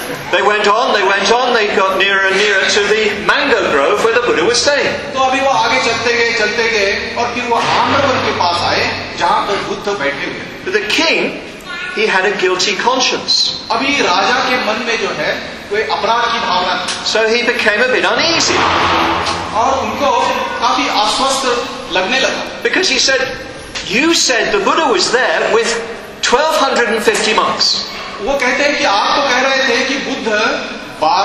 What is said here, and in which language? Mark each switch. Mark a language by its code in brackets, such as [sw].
[en] They went on, they got nearer and nearer to the mango grove where the Buddha was staying. [hi] तो अभी वो आगे चलते गए और फिर वो आम्रवन के पास आए जहाँ पर बुद्ध बैठे हुए। [en] But the king, he had a guilty conscience. [hi] अभी राजा के मन में जो है वो अपराध की भावना। [en] So he became a bit uneasy. [hi] और उनको काफी अस्वस्थ लगने लगा। [en] Because he said, you said the Buddha was there with 1250 monks. [hi] वो कहते हैं कि आप तो कह रहे थे कि बुद्ध